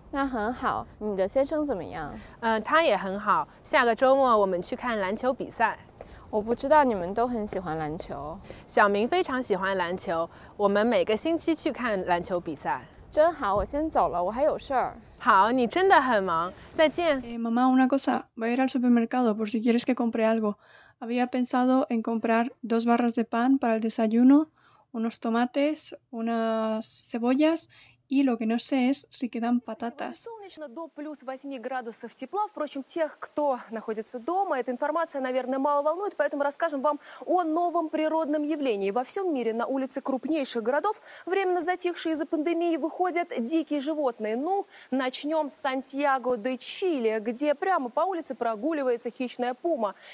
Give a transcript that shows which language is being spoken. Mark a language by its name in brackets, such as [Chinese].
[Chinese] 那很好。你的先生怎么样？他也很好。下个周末我们去看篮球比赛。我不知道你们都很喜欢篮球。小明非常喜欢篮球，我们每个星期去看篮球比赛。真好，我先走了，我还有事儿。好，你真的很忙，再见。 [Spanish] Mamá, una cosa, voy a ir al supermercado por si quieres que compre algo. Había pensado en comprar dos barras de pan para el desayuno, unos tomates, unas cebollas. И lo que no sé es si quedan patatas. [Russian] Солнечно до плюс 8 градусов тепла. Впрочем, тех, кто находится дома, эта информация, наверное, мало волнует, поэтому расскажем вам о новом природном явлении. Во всем мире на улице крупнейших городов, временно затихшие из-за пандемии, выходят дикие животные. Ну, начнем с Сантьяго де Чили, где прямо по улице прогуливается хищная пума.